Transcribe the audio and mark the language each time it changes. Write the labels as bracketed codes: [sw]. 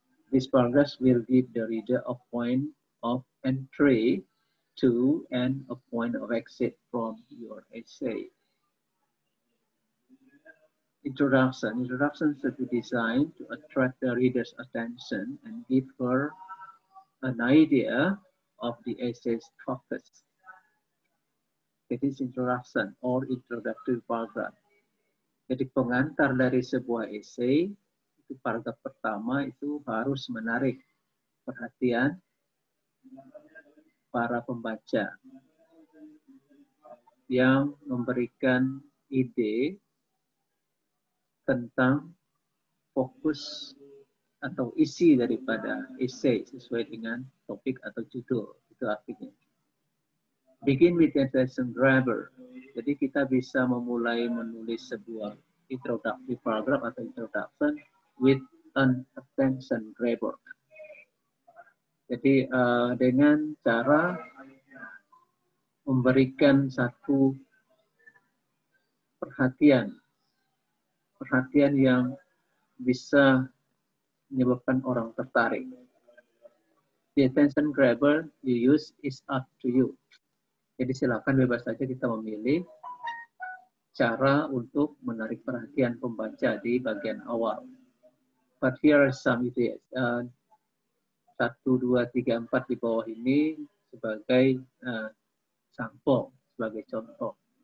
[en] This paragraph will give the reader a point of entry to and a point of exit from your essay. Introduction. Introduction should be designed to attract the reader's attention and give her an idea of the essay's focus. It is introduction or introductory paragraph. [id] Jadi pengantar dari sebuah esai, itu paragraf pertama itu harus menarik perhatian para pembaca yang memberikan ide tentang fokus atau isi daripada esai sesuai dengan topik atau judul. Itu artinya. [en] begin with intention driver. [id] Jadi kita bisa memulai menulis sebuah introductory paragraph atau introduction [en] with an attention grabber. [id] Jadi dengan cara memberikan satu perhatian, perhatian yang bisa menyebabkan orang tertarik. [en] The attention grabber you use is up to you. [id] Jadi silakan bebas saja kita memilih cara untuk menarik perhatian pembaca di bagian awal. [en] But here are some ideas. [id] 1, 2, 3, 4 di bawah ini sebagai sampel, sebagai contoh.